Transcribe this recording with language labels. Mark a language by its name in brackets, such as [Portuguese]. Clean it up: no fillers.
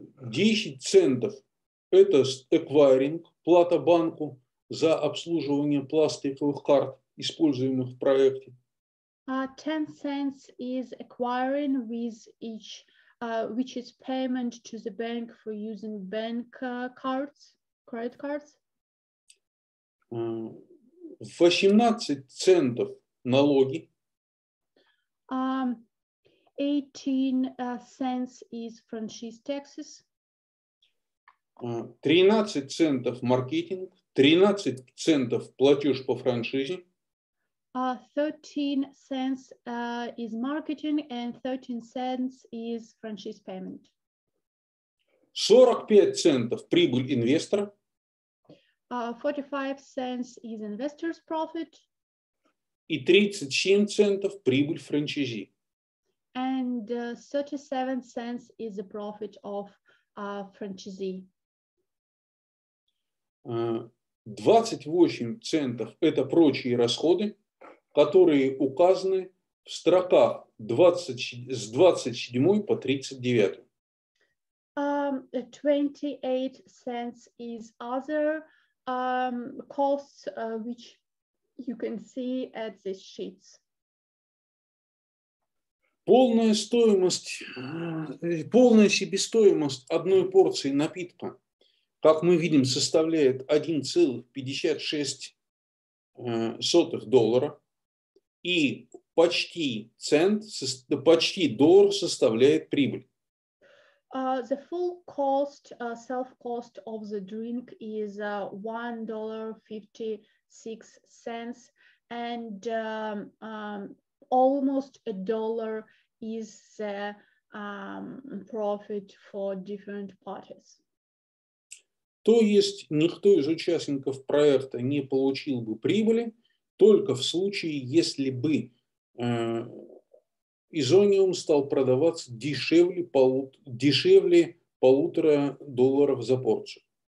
[Russian] 10 центов – это эквайринг, плата банку за обслуживание пластиковых карт, используемых в проекте. [English] 10 cents is acquiring with each, which is payment to the bank for using bank cards, credit cards. [Russian] 18 центов налоги. [English] 18 cents is franchise taxes. [Russian] 13 центов маркетинг. 13 центов платеж по франшизе. [English] 13 cents is marketing and 13 cents is franchise payment. [Russian] 45 центов прибыль инвестора. [English] 45 cents is investor's profit. [Russian] И 37 центов прибыль франчайзи. [English] And 37 cents is the profit of franchisee. [Russian] 28 центов – это прочие расходы, которые указаны в строках 20, с 27 по 39. [English] 28 cents is other costs, which you can see at these sheets. [Russian] Полная стоимость, полная себестоимость одной порции напитка, как мы видим, составляет 1,56 доллара, и почти цент, почти доллар составляет прибыль. [English] The full cost, self cost of the drink is $1.56, and almost a dollar is the profit for different parties. [Russian] То есть никто из участников проекта не получил бы прибыли только в случае, если бы изониум стал продаваться дешевле, дешевле полутора долларов за порцию.